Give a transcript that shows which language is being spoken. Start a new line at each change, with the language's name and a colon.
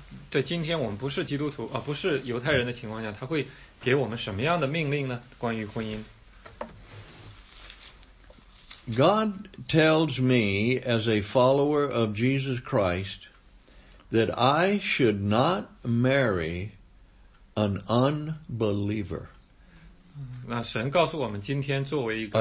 Chinese: 在今天我们不是基督徒，不是犹太人的情况下，他会给我们什么样的命令呢？关于婚姻。
English: God tells me as a follower of Jesus Christ that I should not marry an unbeliever.
Chinese: 那神告诉我们今天作为一个